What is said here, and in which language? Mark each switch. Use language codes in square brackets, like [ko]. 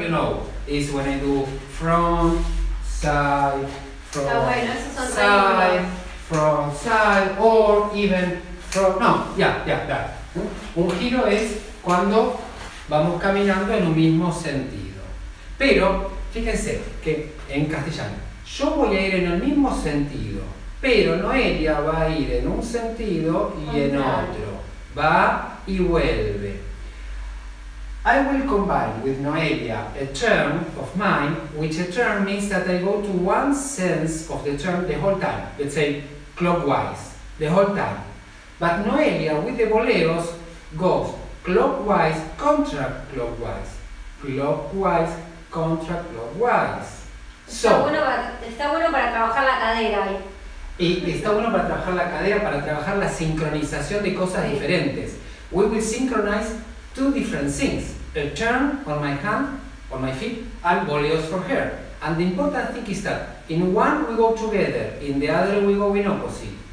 [en] You know, is when I do front, side, front, side, front, side, or even front. That. [es] Un giro es cuando vamos caminando en un mismo sentido. Pero fíjense que en castellano, yo voy a ir en el mismo sentido, pero Noelia va a ir en un sentido y en otro. Va y vuelve. [en] I will combine with Noelia a turn of mine, which a turn means that I go to one sense of the turn the whole time, let's say clockwise, the whole time. But Noelia with the boleros goes clockwise, contra-clockwise, clockwise, contra-clockwise. [es] Está bueno para trabajar la cadera ahí. Y está bueno para trabajar la cadera, para trabajar la sincronización de cosas diferentes. [en] We will synchronize two different things. a turn on my hand, on my feet, and voleos from here. And the important thing is that in one we go together, in the other we go in opposite.